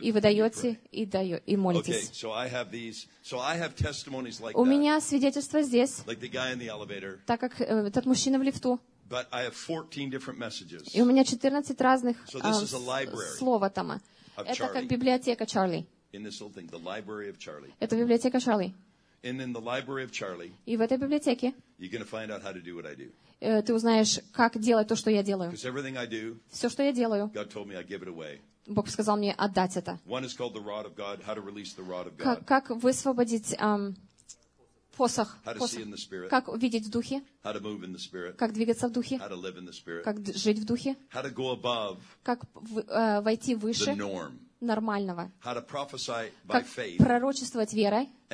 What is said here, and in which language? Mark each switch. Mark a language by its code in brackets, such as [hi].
[ru] И вы даете и молитесь. [en] Okay, so I have these. So I have testimonies like that. [ru] У меня свидетельства здесь. [en] Like the guy in the elevator. [ru] Так как этот мужчина в лифту. [en] But I have 14 different messages. [ru] И у меня 14 разных слова там. Это как библиотека Чарли. [en] In this little thing, the library of Charlie. [ru] Это библиотека Чарли. [en] And in the library of Charlie. [ru] И в этой библиотеке. [en] You're gonna find out how to do what I do. [ru] Ты узнаешь, как делать то, что я делаю. [en] Because everything I do. [ru] Все, что я делаю. [en] God told me I give it away. [ru] Бог сказал мне отдать это. [en] One is called the rod of God. How to release the rod of God. [ru] Как высвободить посох, как видеть в духе, как двигаться в духе, как жить в духе, как войти выше нормального, как пророчествовать верой,